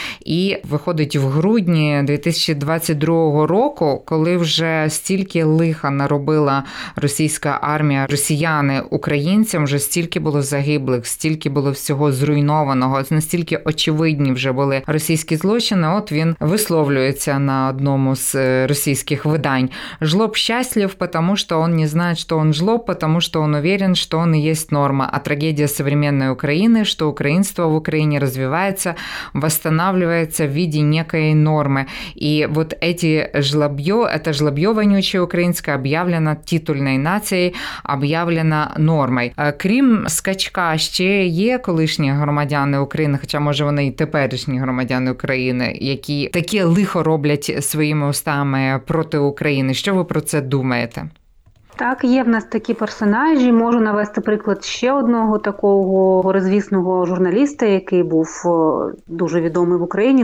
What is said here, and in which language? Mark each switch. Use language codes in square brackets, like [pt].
[uk] І виходить, в грудні 2022 року, коли вже стільки лиха наробила російська армія, росіяни українцям, вже стільки було загиблих загиблих, стільки було всього зруйнованого, настільки очевидні вже були російські злочини, от він висловлюється на одному з російських видань. [ru] Жлоб щаслив, потому что он не знает, что он жлоб, потому что он уверен, что он и есть норма. А трагедия современной Украины, что украинство в Украине развивается, восстанавливается в виде некой нормы. И вот эти жлобьё, это жлобьё вонючее украинское объявлено титульной нацией, объявлено нормой. [uk] Крім скачка, ще є колишні громадяни України, хоча, може, вони і теперішні громадяни України, які таке лихо роблять своїми устами проти України. Що ви про це думаєте? Так, є в нас такі персонажі. Можу навести приклад ще одного такого розвісного журналіста, який був дуже відомий в Україні.